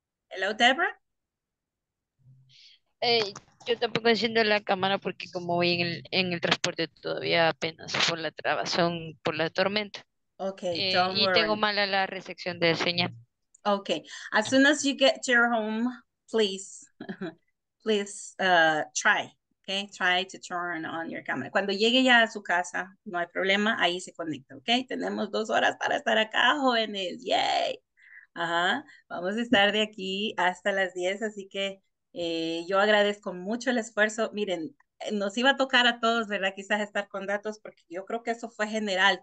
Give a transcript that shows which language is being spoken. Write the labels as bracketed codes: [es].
[en] Hello, Deborah. [es] Yo tampoco enciendo la cámara porque como voy en el transporte todavía apenas por la trabazón, por la tormenta. [en] Okay, [es] y tengo mala la recepción de señal. [en] Okay, as soon as you get to your home, please. Please try, okay? Try to turn on your camera. [es] Cuando llegue ya a su casa, no hay problema, ahí se conecta, okay? Tenemos 2 horas para estar acá, jóvenes, yay! Vamos a estar de aquí hasta las 10, así que yo agradezco mucho el esfuerzo. Miren, nos iba a tocar a todos, ¿verdad? Quizás estar con datos, porque yo creo que eso fue general.